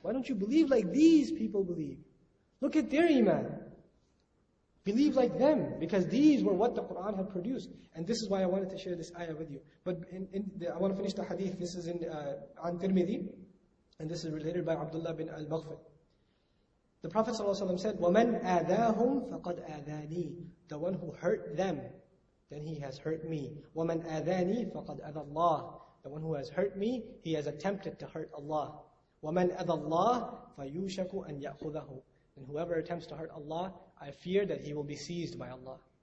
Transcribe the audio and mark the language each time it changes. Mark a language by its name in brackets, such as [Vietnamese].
[English] Why don't you believe like these people believe? Look at their iman. Believe like them, because these were what the Qur'an had produced. And this is why I wanted to share this ayah with you. But I want to finish the hadith. This is in An-Tirmidhi. And this is related by Abdullah bin Al-Maghfir. The Prophet ﷺ said, [Arabic] وَمَنْ أَذَاهُمْ فَقَدْ أَذَانِي. [English] The one who hurt them, then he has hurt me. [Arabic] وَمَنْ أَذَانِي فَقَدْ أَذَى اللَّهِ. [English] The one who has hurt me, he has attempted to hurt Allah. [Arabic] وَمَنْ أَذَى اللَّهِ فَيُوشَكُ أَنْ يَأْخُذَهُ. [English] And whoever attempts to hurt Allah, I fear that he will be seized by Allah.